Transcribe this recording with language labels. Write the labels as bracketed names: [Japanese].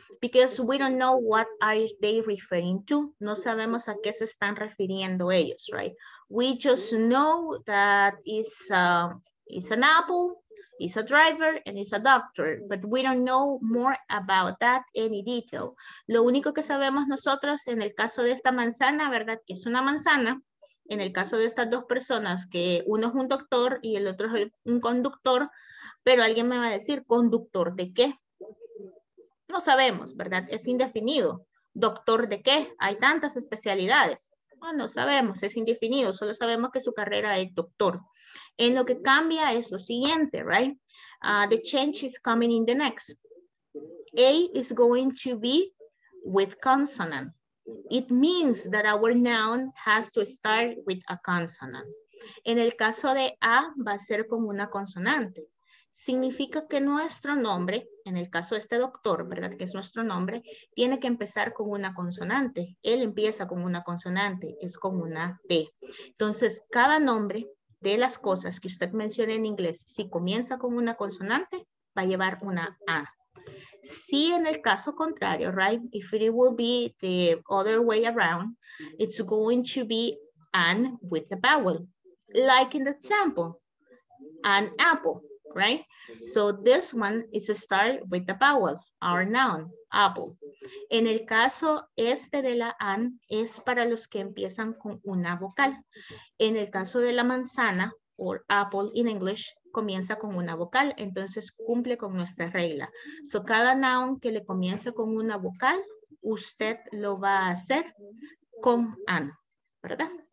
[English] Because we don't know what are they referring to. [Spanish] No sabemos a qué se están refiriendo ellos, right? [English] We just know that it's an apple, it's a driver, and it's a doctor, but we don't know more about that, any detail. [Spanish] Lo único que sabemos nosotros en el caso de esta manzana, ¿verdad? Que es una manzana, en el caso de estas dos personas, que uno es un doctor y el otro es un conductor, pero alguien me va a decir, ¿conductor de qué? No sabemos, ¿verdad? Es indefinido. ¿Doctor de qué? Hay tantas especialidades. No, no sabemos, es indefinido, solo sabemos que su carrera es doctor. En lo que cambia es lo siguiente, right? [English] The change is coming in the next. A is going to be with consonant. It means that our noun has to start with a consonant. [Spanish] En el caso de A, va a ser con una consonante. Significa que nuestro nombre, en el caso de este doctor, ¿verdad? Que es nuestro nombre, tiene que empezar con una consonante. Él empieza con una consonante, es con una T. Entonces, cada nombre de las cosas que usted menciona en inglés, si comienza con una consonante, va a llevar una A. Si en el caso contrario, right? [English] If it will be the other way around, it's going to be an with a vowel. Like in the example, an apple. Right? So this one is a start with the vowel, our noun, apple. [Spanish] En el caso este de la an es para los que empiezan con una vocal. En el caso de la manzana, [English] or apple in English, [Spanish] comienza con una vocal, entonces cumple con nuestra regla. So cada noun que le comience con una vocal, usted lo va a hacer con an, ¿verdad?